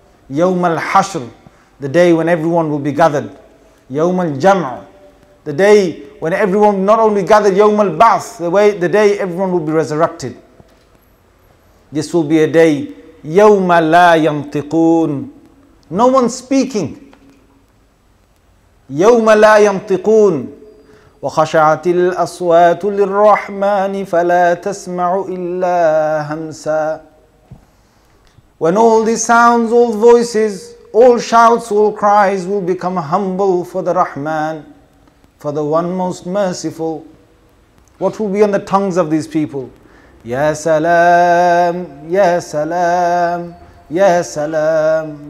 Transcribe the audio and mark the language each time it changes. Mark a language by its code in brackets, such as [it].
[en] Yawm al-Hashr, the day when everyone will be gathered. Yawm al-Jam', the day when everyone not only gathered, Yawm al-Ba'th, the day everyone will be resurrected. This will be a day, [ar] Yawm la yantiqoon, [en] no one speaking. [ar] يوم لا ينطقون وخشعت الأصوات للرحمن فلا تسمع إلا همسا. [en] When all the sounds, all voices, all shouts, all cries will become humble for the Rahman, for the one most merciful. What will be on the tongues of these people? [ar] يا سلام يا سلام يا سلام.